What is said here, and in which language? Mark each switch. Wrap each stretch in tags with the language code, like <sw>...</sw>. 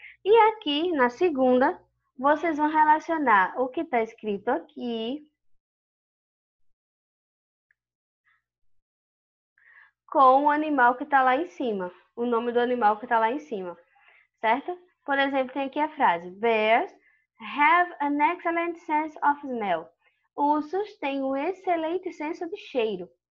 <pt>E aqui, na segunda, vocês vão relacionar o que está escrito aqui. Com o animal que está lá em cima. O nome do animal que está lá em cima. Certo? Por exemplo, tem aqui a frase.</pt> <en>Bears have an excellent sense of smell.</en> <pt>Ursos têm um excelente senso de cheiro.</pt>